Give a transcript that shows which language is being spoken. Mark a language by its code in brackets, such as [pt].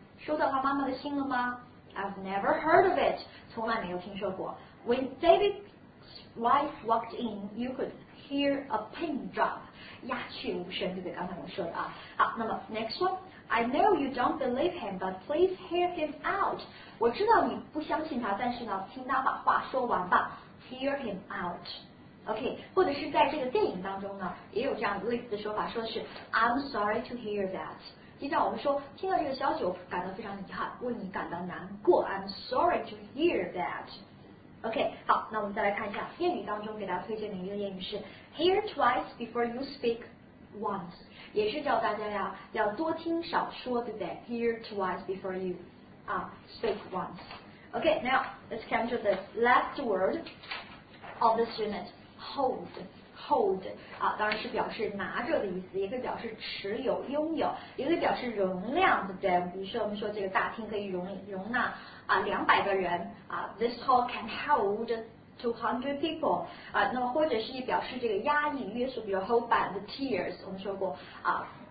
[zh] 收到他妈妈的信了吗？ [en] I've never heard of it. [zh] 从来没有听说过。 [en] When David's wife walked in, you could hear a pin drop. [zh] 鸦雀无声，对不对？刚才我说的啊。好，那么 next one. [en] I know you don't believe him, but please hear him out. [zh] 我知道你不相信他，但是呢，听他把话说完吧。 [en] Hear him out. [zh] OK, 或者是在这个电影当中呢，也有这样类似的说法，说的是 [en] I'm sorry to hear that. [zh] 就像我们说，听到这个消息，我感到非常遗憾，为你感到难过。 [en] I'm sorry to hear that. [zh] OK, 好，那我们再来看一下谚语当中给大家推荐的一个谚语是 [en] Hear twice before you speak once. [zh] 也是叫大家呀，要多听少说，对不对 ？ [en] Hear twice before you, speak once. Okay, now let's come to the last word of this unit. [zh] Hold, 啊，当然是表示拿着的意思，也可以表示持有、拥有，也可以表示容量，对不对？比如说我们说这个大厅可以容纳啊200个人啊 ， [en] this hall can hold 200 people [zh] 啊，那么或者是表示这个压抑、约束，比如 [en] hold back the tears， [zh] 我们说过啊，